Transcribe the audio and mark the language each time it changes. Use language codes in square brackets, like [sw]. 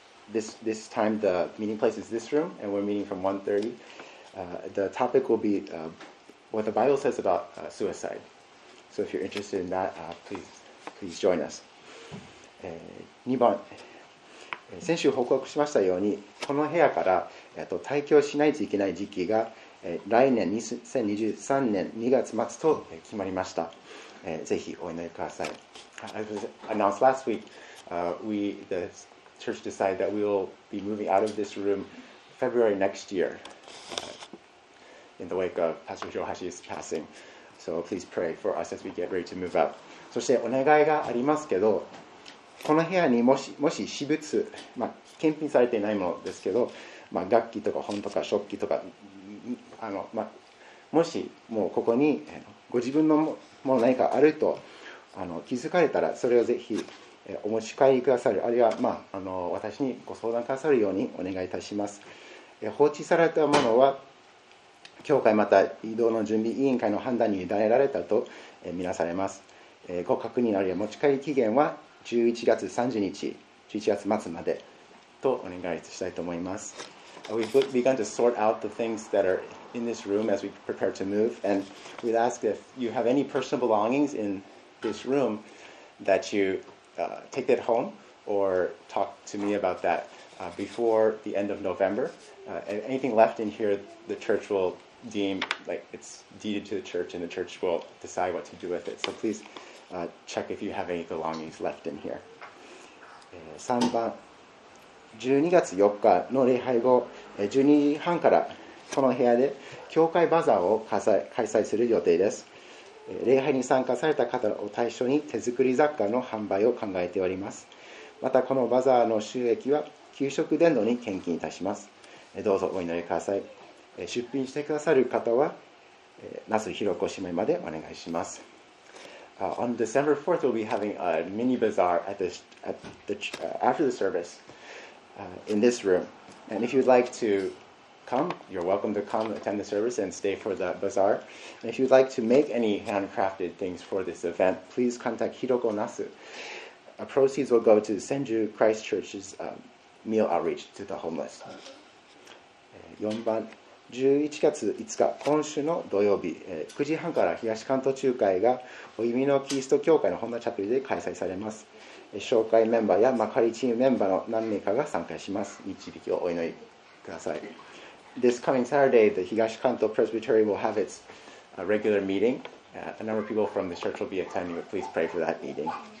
[en] This time the meeting place is this room, and we're meeting from 1:30. The topic will be what the Bible says about suicide. So if you're interested in that, please join us. [ja] 2番、先週報告しましたようにこの部屋から退去しないといけない時期が来年2023年2月末と決まりました。ぜひお祈りください。 As was announced last week, the church decided that we will be moving out of this room February next year in the wake of Pastor Joe Hashi's passing. So please pray for us as we get ready to move out. そしてお願いがありますけど、この部屋にもし私物、まあ、検品されていないものですけど、まあ、楽器とか本とか食器とか、まあ、もしもうここにご自分のもの何かあると気づかれたら、それをぜひお持ち帰りくださる、あるいは、まあ、私にご相談くださるようにお願いいたします。放置されたものは教会また移動の準備委員会の判断に委ねられたと見なされます。ご確認あるいは持ち帰り期限は11月末までとお願いしたいと思います。 [en] We've begun to sort out the things that are in this room as we prepare to move, and we'd ask if you have any personal belongings in this room that youtake that home or talk to me about that before the end of November. Anything left in here, the church will deem like it's deeded to the church, and the church will decide what to do with it. So please check if you have any belongings left in here. [ja] 3番、12月4日の礼拝後、12時半からこの部屋で教会バザーを開催する予定です。礼拝に参加された方を対象に手作り雑貨の販売を考えております。またこのバザーの収益は給食伝道に献金いたします。どうぞお祈りください。出品してくださる方は那須広子姉妹までお願いします。 [en] On December 4th, we'll be having a mini bazaar after the service in this room. And if you'd like to come, you're welcome to come attend the service and stay for the bazaar. And if you'd like to make any handcrafted things for this event, please contact Hiroko Nasu. Proceeds will go to Senju Christ Church's meal outreach to the homeless. [ja] 4番、11月5日、今週の土曜日、9時半から東関東中会がお弓のキリスト教会の本田チャペルで開催されます。紹介メンバーや幕張チームメンバーの何名かが参加します。導きをお祈りください。 [en] This coming Saturday, the 東関東 Presbytery will have its regular meeting. A number of people from the church will be attending, but please pray for that meeting.